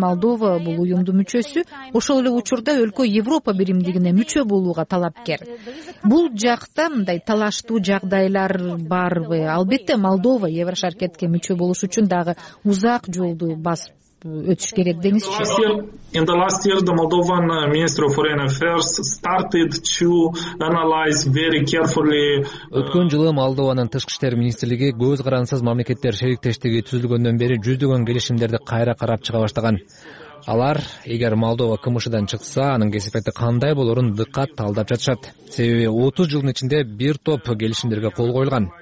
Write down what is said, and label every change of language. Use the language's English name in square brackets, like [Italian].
[Kyrgyz] Молдова бул уюмдун мүчөсү. Ошол эле учурда өлкө Европа биримдигине мүчө болууга талапкер. Бул жакта мындай талаштуу жагдайлар барбы? Албетте, Молдова Евразия аракетке мүчө болуш үчүн дагы узак жолду басып өтүш керек деңизчи. [English] In the last year, the Moldovan Minister of Foreign Affairs started to analyze very carefully. [Kyrgyz] Өткөн жылы Молдованын тышкы иштер министрлиги көз карансыз мамлекеттер шериктештиги түзүлгөндөн бери жүздөгөн келишимдерди кайра карап чыга баштаган. Алар эгер Молдова КМШ-дан чыкса, анын кесепети кандай болорун дыккат талдап жатышат. Себеби 30 жылдын ичинде бир топ келишимдерге кол коюлган.